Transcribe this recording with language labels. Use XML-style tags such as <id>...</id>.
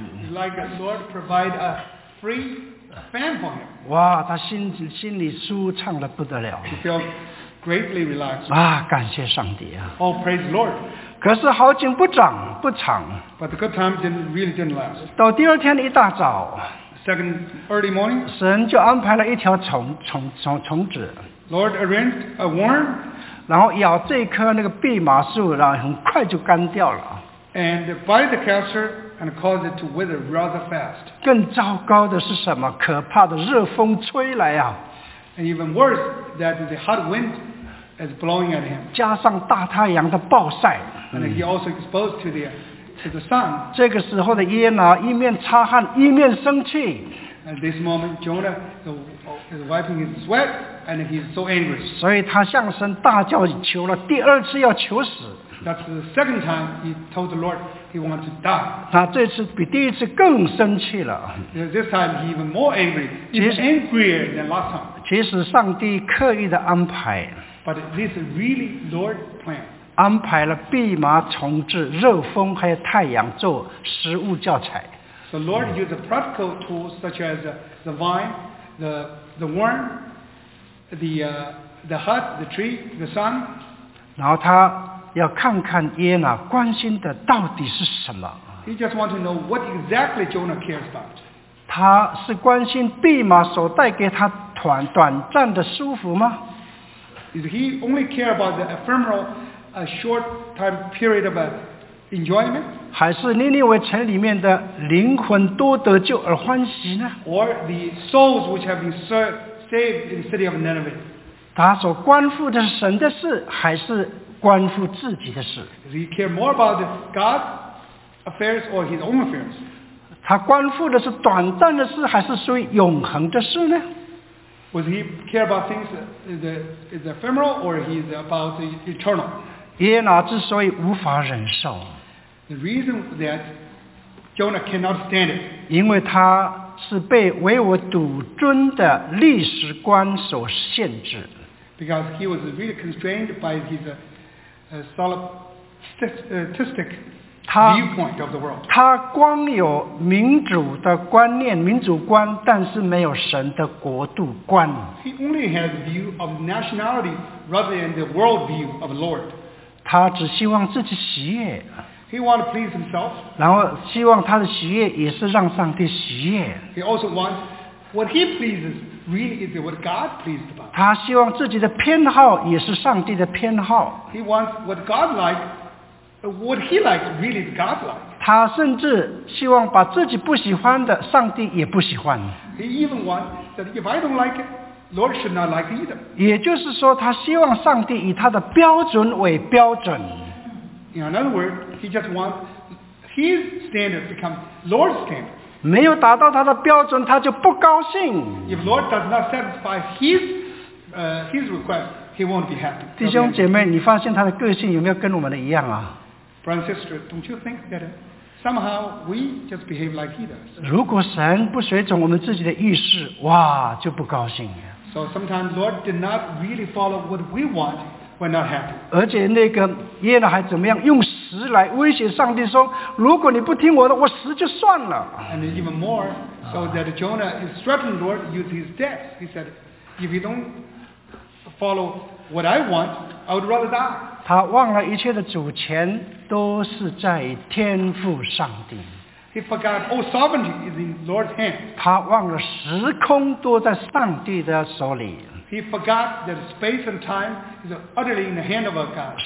<en>Like the Lord provide a free fan for him.</en> <zh>哇，他心里舒畅的不得了。</zh> <en>Greatly relaxed.</en> <zh>啊，感谢上帝啊！</zh> <en>Oh, praise the Lord.</en> <zh>可是好景不长。</zh> <en>But the good time didn't last.</en> <zh>到第二天一大早，</zh> <en>Second early morning,</en> <zh>神就安排了一条虫子。</zh> <en>Lord arranged a worm.</en> <zh>然后咬这棵那个蓖麻树，然后很快就干掉了。</zh> <en>And bite the castor and caused it to wither rather fast.</en> <zh>更糟糕的是什么？可怕的热风吹来啊！</zh> <en>And even worse, that the hot wind is blowing at him.</en> <zh>加上大太阳的暴晒。</zh> <en>And he also exposed to the sun.</en> <zh>这个时候的耶拿一面擦汗一面生气。</zh> <en>At this moment, Jonah is wiping his sweat and he's so angry.</en> <zh>所以他向神大叫求了第二次要求死。</zh> <en>That's the second time he told the Lord he wanted to die.</en> <zh>他这次比第一次更生气了。</zh> <en>This time he's even more angry. He's angrier than last time.</en> <zh>其实上帝刻意的安排。</zh> <en>But this is really Lord's plan.</en> <zh>安排了蓖麻虫子、热风还有太阳做食物教材。</zh> <en>The Lord used practical tools such as the vine, the worm, the hut, the tree, the sun.</en> <zh>然后他要看看耶拿关心的到底是什么。</zh> <en>He just wants to know what exactly Jonah cares about.</en> <zh>他是关心蓖麻所带给他短暂的舒服吗？</zh> <en>Is he only care about the ephemeral, a short time period of a enjoyment?</en> <zh>还是尼尼微城里面的灵魂多得救而欢喜呢？</zh> <en>Or the souls which have been saved in the city of Nineveh?</en> <zh>他所关乎的是神的事，还是关乎自己的事？</zh> <en>Does he care more about God's affairs or his own affairs?</en> <zh>他关乎的是短暂的事，还是属于永恒的事呢？</zh> <en>Does he care about things that is ephemeral or he's about the eternal?</en> <zh>耶拿之所以无法忍受，</zh> <en>The reason that Jonah cannot stand it,</en> <zh>因为他是被唯我独尊的历史观所限制。</zh> <en>Because he was really constrained by his solipsistic viewpoint of the world.</en> <zh>他光有民主的观念、民主观，但是没有神的国度观。</zh> <en>He only has a view of nationality rather than the world view of the Lord.</en> <zh>他只希望自己喜悦。</zh> <en>He wants to please himself.</en> <zh>然后希望他的喜悦也是让上帝喜悦。</zh> <en>He also wants what he pleases. Really, is it what God pleased about?</en> <zh>他希望自己的偏好也是上帝的偏好。</zh> <en>He wants what God likes What he likes really is God-like.</en> <zh>他甚至希望把自己不喜欢的，上帝也不喜欢。</zh> <en>He even wants that if I don't like it, Lord should not like it either.</en> <zh>也就是说，他希望上帝以他的标准为标准。</zh> <en>In other words, he just wants his standard to become Lord's standard.</en> <zh>没有达到他的标准，他就不高兴。</zh> <en>If Lord does not satisfy his request, he won't be happy.</en> <zh>弟兄姐妹，你发现他的个性有没有跟我们的一样啊？</zh> <en>Brothers and sisters, don't you think that somehow we just behave like he does?</en> <zh>如果神不随从我们自己的意识，哇，就不高兴。</zh> <en>So sometimes Lord did not really follow what we want, we're not happy.</en> <zh>而且那个耶拿还怎么样，用石来威胁上帝说，如果你不听我的，我死就算了。</zh> <en>And even more, so that Jonah is threatening Lord with his death. He said, if you don't follow what I want, I would rather die.</en> <zh>他忘了一切的主权都是在天父上帝。</zh> <en>He forgot all sovereignty is in Lord's hands.</en> <zh>他忘了时空都在上帝的手里。</zh> <en>He forgot that space and time is utterly in the hand of our God.</en>